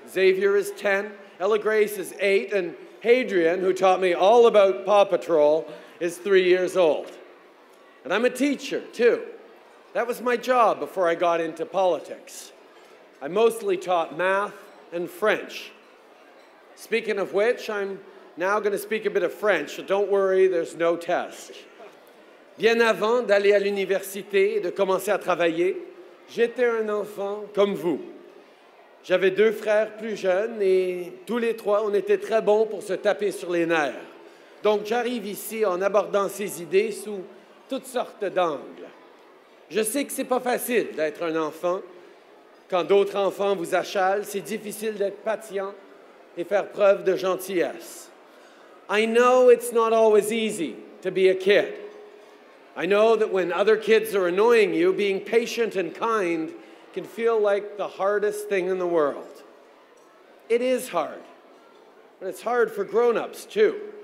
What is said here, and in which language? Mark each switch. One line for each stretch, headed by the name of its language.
English: Xavier is 10, Ella Grace is 8, and Hadrian, who taught me all about Paw Patrol, is 3 years old. And I'm a teacher, too. That was my job before I got into politics. I mostly taught math and French. Speaking of which, I'm now going to speak a bit of French, so don't worry, there's no test.
French: Bien avant d'aller à l'université et de commencer à travailler, j'étais un enfant comme vous. J'avais deux frères plus jeunes et tous les trois, on était très bons pour se taper sur les nerfs. Donc j'arrive ici en abordant ces idées sous toutes sortes d'angles. Je sais que c'est pas facile d'être un enfant. Quand d'autres enfants vous achalent, c'est difficile d'être patient et faire preuve de gentillesse.
English: I know it's not always easy to be a kid. I know that when other kids are annoying you, being patient and kind can feel like the hardest thing in the world. It is hard, but it's hard for grown-ups too.